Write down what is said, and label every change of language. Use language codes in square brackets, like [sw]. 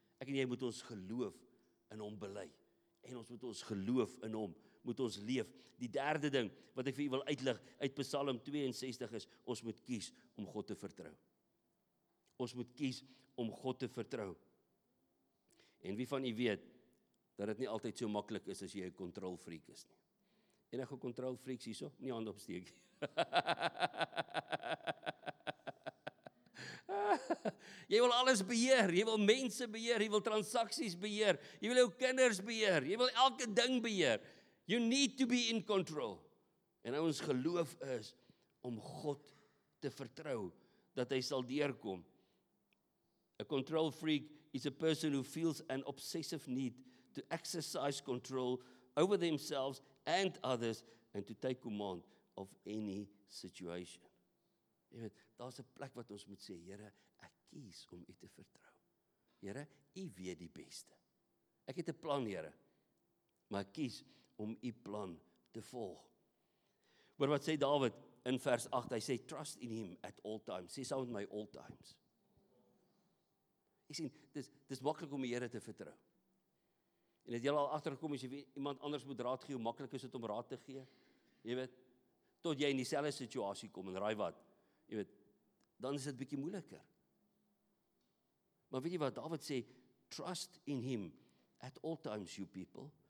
[af] Ek en jy moet ons geloof in hom bely. En ons moet ons geloof in hom, moet ons leef. Die derde ding wat ek vir u wil uitlig uit Psalm 62 is, ons moet kies om God te vertrou. Ons moet kies om God te vertrou. En wie van u weet dat dit nie altyd so maklik is as jy 'n kontrolfreak is nie. Enige kontrolfreaks hierso, nie hand opsteek nie. Jy wil alles beheer, jy wil mense beheer, jy wil transaksies beheer, jy wil jou kinders beheer, jy wil elke ding beheer. [en] You need to be in control. [af] En ons geloof is om God te vertrou dat hy sal deurkom. [en] A control freak is a person who feels an obsessive need to exercise control over themselves and others and to take command of any situation. [af] Jy weet, daar's 'n plek wat ons moet sê, Here, ek kies om U te vertrou. Here, U weet die beste. Ek het 'n plan, Here, maar ek kies om U plan te volg. Hoor wat sê Dawid in vers 8, hy sê, [en] trust in Him at all times. [af] Sê saam met my, [en] all times. [af] Jy sien, dis maklik om die Here te vertrou. En het jy al agtergekom, as jy iemand anders moet raad gee, hoe maklik is dit om raad te gee? Jy weet, tot jy in dieselfde situasie kom, en raai wat, jy weet, dan is dit bietjie moeiliker. Maar weet jy wat, Dawid sê, [en] trust in him at all times, you people.